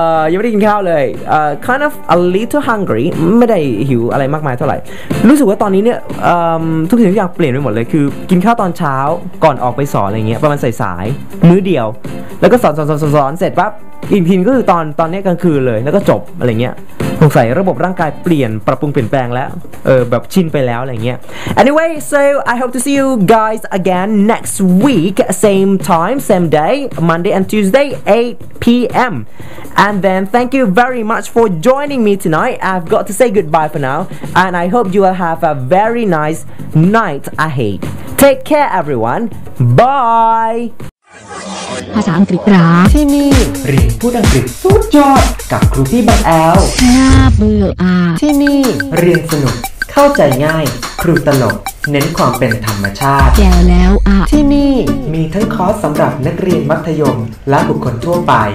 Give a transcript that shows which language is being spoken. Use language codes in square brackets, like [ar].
[th] ยังไม่ได้กินข้าวเลย [en] kind of a little hungry [th] ไม่ได้หิวอะไรมากมายเท่าไหร่รู้สึกว่าตอนนี้เนี่ยทุกสิ่งทุกอย่างเปลี่ยนไปหมดเลยคือกินข้าวตอนเช้าก่อนออกไปสอนอะไรเงี้ยประมาณสายๆมื้อเดียวแล้วก็สอนเสร็จปั๊บอีกทีก็คือตอนนี้กลางคืนเลยแล้วก็จบอะไรเงี้ยสงสัยระบบร่างกายเปลี่ยนปรับปรุงเปลี่ยนแปลงแล้วแบบชินไปแล้วอะไรเงี้ย [en] anyway so I hope to see you guys again next week same time same day Monday and Tuesday 8 p.m. and then thank you very much for joining me tonight I've got to say goodbye for now and I hope you will have a very nice night ahead take care everyone bye [th] ภาษาอังกฤษร้า ที่นี่เรียนพูดอังกฤษสุดยอดกับครูพี่บังแอล น่าเบื่ออ่ะ ที่นี่เรียนสนุกเข้าใจง่ายครูตลกเน้นความเป็นธรรมชาติ แก่แล้วอ่ะ ที่นี่มีทั้งคอร์สสำหรับนักเรียนมัธยมและบุคคลทั่วไป